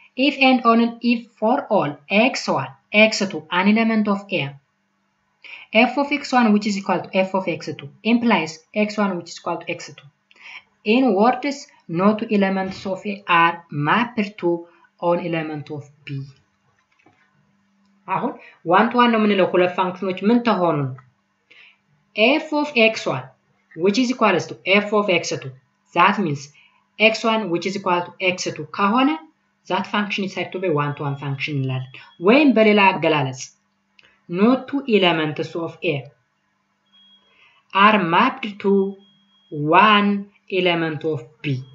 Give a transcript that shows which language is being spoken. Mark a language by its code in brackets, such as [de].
[en] If and only if for all x1, x2, an element of a, f of x1 which is equal to f of x2 implies x1 which is equal to x2. In words, no two elements of a are mapped to an element of b. [am] አሁን one-to-one ነው የምንለው ሁለት ፋንክሽኖች ምን ተሆኑ? [en] F of x1 which is equal to f of x2. That means x1 which is equal to x2 [am] ከሆነ [en] that function is said to be one-to-one function ይላል. [am] ወይም በሌላ አገላለጽ [en] no two elements of a are mapped to one element of b.